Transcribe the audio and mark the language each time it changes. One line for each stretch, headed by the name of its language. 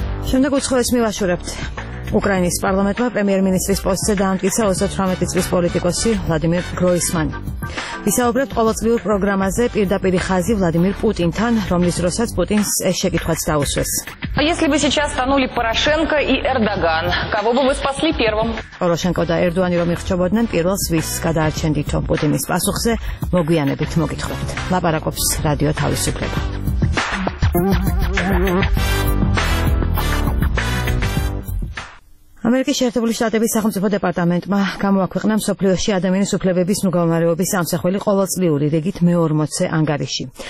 Georgian: შემდეგ უცხოეს მივაშორებთ. უკრაინის პარლამენტმა პრემიერ-მინისტრის პოსტზე დაამტკიცა 38 წლის პოლიტიკოსი ვლადიმერ გროისმანი. ვისაუბრებთ ყოველწლიურ პროგრამაზე პირდაპირი ხაზი ვლადიმერ პუტინთან, რომლის დროსაც პუტინს ეს შეკითხვაც დაუსვეს.
Russian: А если бы сейчас станули Порошенко и Эрдоган, кого бы вы спасли первым?
Georgian: Порошенко და ერდოანი რომ იხჩობოდნენ პირველს ვის გადაარჩენდით? პუტინის პასუხზე მოგვიანებით მოგიტყვით. ლაპარაკობს რადიო თავისუფლება. ამერიკის შეერთებული შტატების სახელმწიფო დეპარტამენტმა გამოაქვეყნა მსოფლიოში ადამიანის უფლებების მდგომარეობის სამსახველი ყოველწლიური რეგით მე-40 ანგარიში.